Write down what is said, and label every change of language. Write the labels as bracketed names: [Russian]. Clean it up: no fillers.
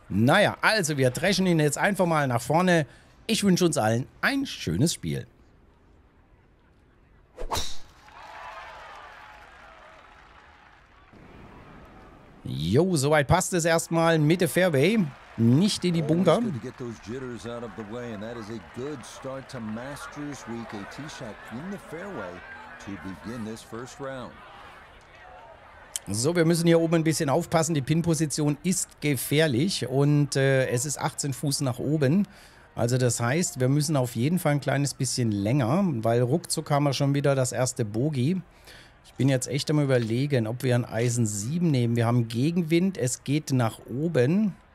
[German] Naja, also wir dreschen ihn jetzt einfach mal nach vorne. Ich wünsche uns allen ein schönes Spiel. Jo, soweit passt es erstmal Mitte Fairway, nicht in die Bunker. [English] Always good to get those jitters out of the way, and that is a good start to Masters Week. A tee shot in the fairway to begin this first round. [German] So, wir müssen hier oben ein bisschen aufpassen. Die Pin-Position ist gefährlich und es ist 18 Fuß nach oben. Also das heißt, wir müssen auf jeden Fall ein kleines bisschen länger, weil ruckzuck haben wir schon wieder das erste Bogey. Ich bin jetzt echt am Überlegen, ob wir ein Eisen 7 nehmen. Wir haben Gegenwind, es geht nach oben.